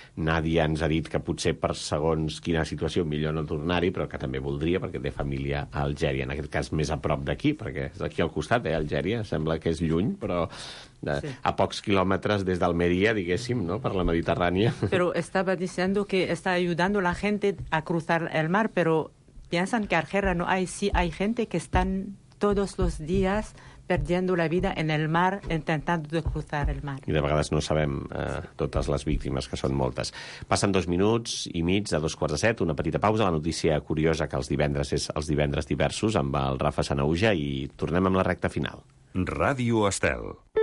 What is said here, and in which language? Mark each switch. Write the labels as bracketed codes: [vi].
[ca] Nàdia ens ha dit que potser per segons quina situació millor no tornar-hi, però que també voldria perquè té família a Algèria, en aquest cas més a prop d'aquí, perquè és aquí al costat, Algèria, sembla que és lluny, però... A pocs quilòmetres des d'Almeria, diguéssim, no? Per la Mediterrània. Però estava dient que està ajudant la gent a cruzar el mar, però [es] piensan que [ca] a Algèria [es] no hay. Sí, hay gente que están todos los días perdiendo la vida en el mar, intentando de cruzar el mar. [ca] I de vegades no sabem totes les víctimes, que són moltes. Passen dos minuts i mig, a dos quarts de set, una petita pausa. La notícia curiosa que els divendres és els divendres diversos amb el Rafa Sanahuja, i tornem amb la recta final. Ràdio Estel.